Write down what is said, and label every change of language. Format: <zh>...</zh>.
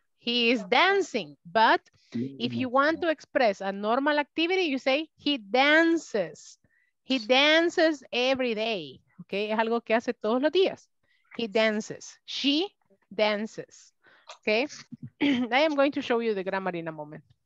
<en>He is dancing. But if you want to express a normal activity, you say he dances. He dances every day.</en> <es>Okay, es algo que hace todos los días.</es> <en>He dances. She dances. Okay. I am going to show you the grammar in a moment.</en>